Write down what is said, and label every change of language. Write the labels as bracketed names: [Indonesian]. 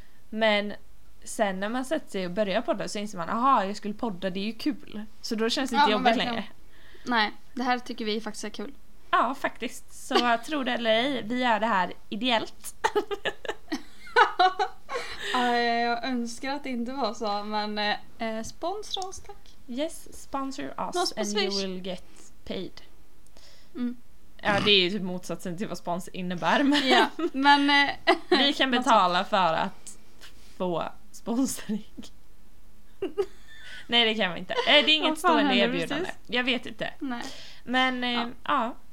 [Swedish] Men sen när man sätter sig och börjar podda så inser man, aha, jag skulle podda, det är ju kul. Så då känns det inte jobbigt längre. Nej, det här tycker vi faktiskt är kul. Ja, faktiskt. Så tror det eller ej, vi gör det här ideellt. Jag önskar att det inte var så, men sponsra oss, tack. [English] Yes, sponsor us no, and you will get paid. [Swedish] Ja, det är ju typ motsatsen till vad spons innebär. Men, ja, men vi kan betala för att få sponsring. Nej, det kan vi inte. Det är inget stående erbjudande. Jag vet inte. Nej. Men ja.